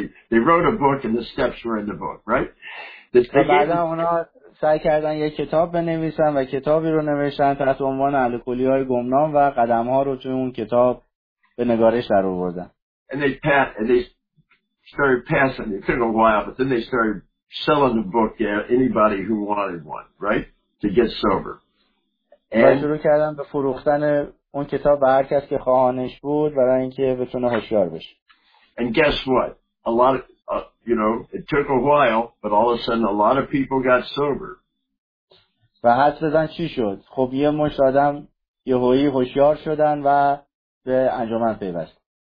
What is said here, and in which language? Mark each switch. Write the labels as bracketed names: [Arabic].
[English] They wrote a book and the steps were in the book, right? [Persian] بعدا اونا سعی کردن یک کتاب بنویسن و کتابی رو نوشتن تحت عنوان الکلی‌های گمنام و قدم‌ها رو توی اون کتاب به نگارش در آوردن. [English] And they started passing. It took a while, but then they started selling the book to anybody who wanted one, right? To get sober. [Persian] And شروع کردن به فروختن اون کتاب به هر کس که خواهانش بود برای اینکه بتونه هوشیار بشه. [English] And guess what? A lot of, you know, it took a while, but all of a sudden a lot of people got sober. [Persian] و حد بزن چی شد؟ خب یه مشت آدم یهویی هوشیار شدن و به انجمن پیوست.